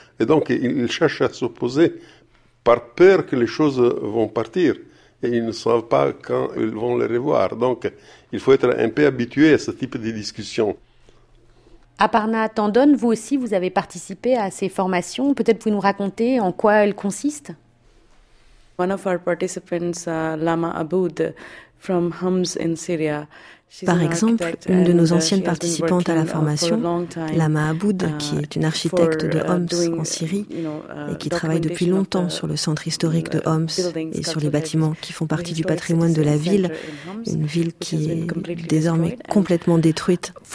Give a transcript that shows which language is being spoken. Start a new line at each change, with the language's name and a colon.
French: Et donc, ils cherchent à s'opposer par peur que les choses vont partir. Et ils ne savent pas quand ils vont les revoir. Donc, il faut être un peu habitué à ce type de discussion. Aparna Tandon, vous aussi, vous avez participé à ces formations. Peut-être pouvez-vous nous raconter en quoi elles consistent?
English: One of our participants, Lama Aboud, from Homs in Syria.
French: Par exemple, une de nos anciennes participantes à la formation, Lama Aboud, qui est une architecte de Homs en Syrie et qui travaille depuis longtemps sur le centre historique de Homs et sur les bâtiments qui font partie du patrimoine de la ville, une ville qui est désormais complètement détruite.